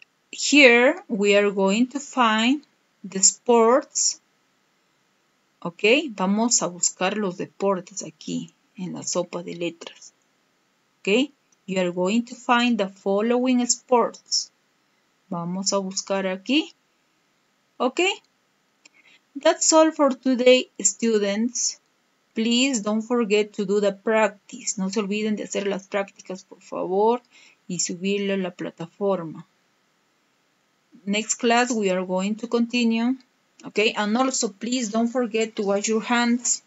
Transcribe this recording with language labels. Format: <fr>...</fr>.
<en>Here we are going to find the sports.</en> <es>Ok, vamos a buscar los deportes aquí en la sopa de letras.</es> <en>Ok, you are going to find the following sports.</en> <es>Vamos a buscar aquí.</es> <en>Ok, that's all for today, students. Please don't forget to do the practice.</en> <es>No se olviden de hacer las prácticas, por favor, y subirlo a la plataforma.</es> <en>Next class, we are going to continue. Okay, and also, please don't forget to wash your hands.</en>